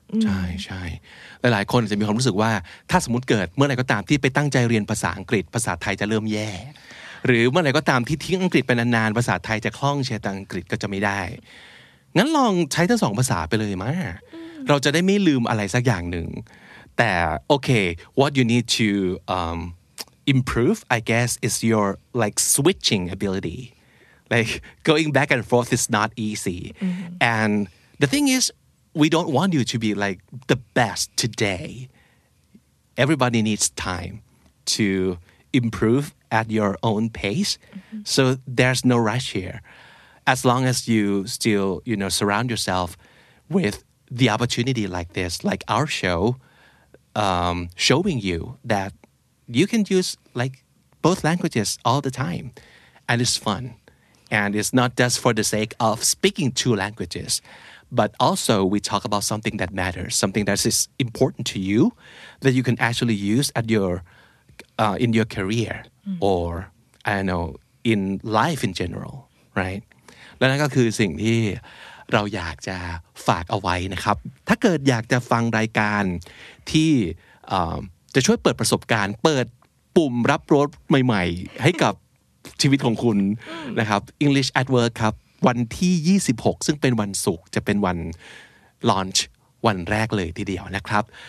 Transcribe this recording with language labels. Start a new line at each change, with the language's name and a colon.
Thai: ใช่ๆหลายๆคนจะมีความรู้สึกว่าถ้าสมมติเกิดเมื่อไหร่ก็ตามที่ไปตั้งใจเรียนภาษาอังกฤษภาษาไทยจะเริ่มแย่หรือเมื่อไหร่ก็ตามที่ทิ้งอังกฤษไปนานๆภาษาไทยจะคล่องเชื่อแต่อังกฤษก็จะไม่ได้งั้นลองใช้ทั้งสองภาษาไปเลยมั้ยเราจะได้ไม่ลืมอะไรสักอย่างหนึ่งแต่โอเค
English: what you need to improve I guess is your like switching ability like going back and forth is not easy mm-hmm. and the thing is we don't want you to be like the best today everybody needs time to improve at your own pace mm-hmm. so there's no rush here as long as you still you know surround yourself withThe opportunity like this, like our show, showing you that you can use like both languages all the time, and it's fun, and it's not just for the sake of speaking two languages, but also we talk about something that matters, something that is important to you, that you can actually use at your in your career mm-hmm. or I don't know in life in general, right?
Thai: และนั่นก็คือสิ่งที่เราอยากจะฝากเอาไว้นะครับถ้าเกิดอยากจะฟังรายการที่จะช่วยเปิดประสบการณ์เปิดปุ่มรับรสใหม่ๆให้กับชีวิตของคุณนะครับ English at Work ครับวันที่26ซึ่งเป็นวันศุกร์จะเป็นวันลอนช์วันแรกเลยทีเดียวนะครับ